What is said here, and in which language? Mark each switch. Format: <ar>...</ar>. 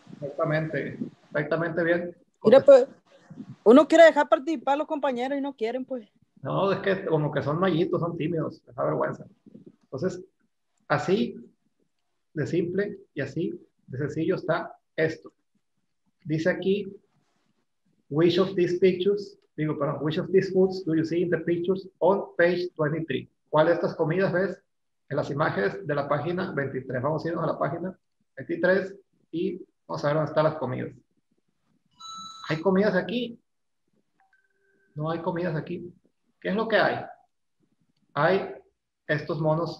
<es>Exactamente bien. Mira, pues, uno quiere dejar participar a los compañeros y no quieren, pues. No, es que como que son mayitos, son tímidos, les da vergüenza. Entonces, así de simple y así de sencillo está esto. Dice aquí,</es> <en>which of these foods do you see in the pictures on page 23?</en> <es>¿Cuál de estas comidas ves en las imágenes de la página 23? Vamos a irnos a la página 23 y vamos a ver dónde están las comidas. ¿Hay comidas aquí? No hay comidas aquí. ¿Qué es lo que hay? Hay estos monos.</es>